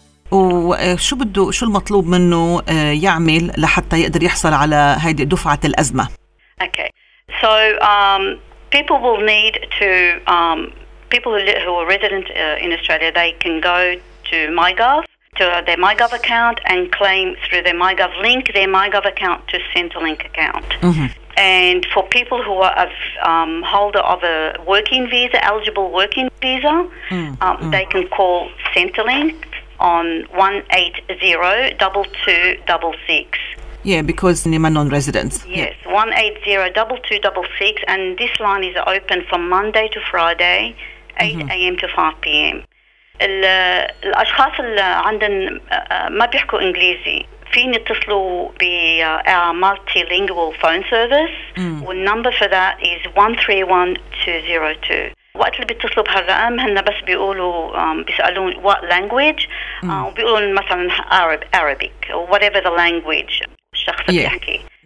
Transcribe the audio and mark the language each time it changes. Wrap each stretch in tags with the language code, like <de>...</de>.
<ar>وشو بده شو المطلوب منه يعمل لحتى يقدر يحصل على هيدي دفعة الأزمة؟</ar> <en>Okay, so people will need to people who are resident in Australia, they can go to MyGov, to their MyGov account and claim through their MyGov link their MyGov account to Centrelink account. Mm-hmm. And for people who are a holder of a working visa, eligible working visa, they can call Centrelink on 180-2266. Yeah, because they're non-residents. Yes, 180-2266, and this line is open from Monday to Friday, 8 a.m. to 5 p.m.</en> <ar>الأشخاص اللي عندن ما بيحكوا إنجليزي فين يتصلوا ب</ar> <en>our multilingual phone service,</en> <ar>والنمبر</ar> <en>for that is</en> <ar>131202. وقت اللي بيتصلوا بهالرقم هن بس بيقولوا بيسألون</ar> <en>what language,</en> <ar>وبيقولون مثلا</ar> <en>Arabic or whatever the language</en> <ar>الشخص بيحكي.</ar>